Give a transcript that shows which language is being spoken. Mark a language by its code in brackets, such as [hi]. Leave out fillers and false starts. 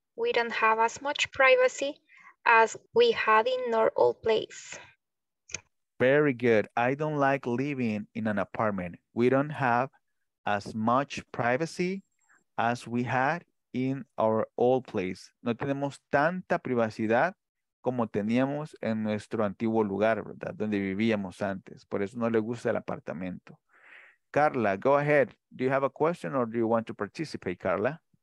[en] We don't have as much privacy as we had in our old place. Very good. I don't like living in an apartment. We don't have as much privacy as we had in our old place. [es] No tenemos tanta privacidad como teníamos en nuestro antiguo lugar, ¿verdad? Donde vivíamos antes. Por eso no le gusta el apartamento. [en] Carla, go ahead. Do you have a question or do you want to participate, Carla?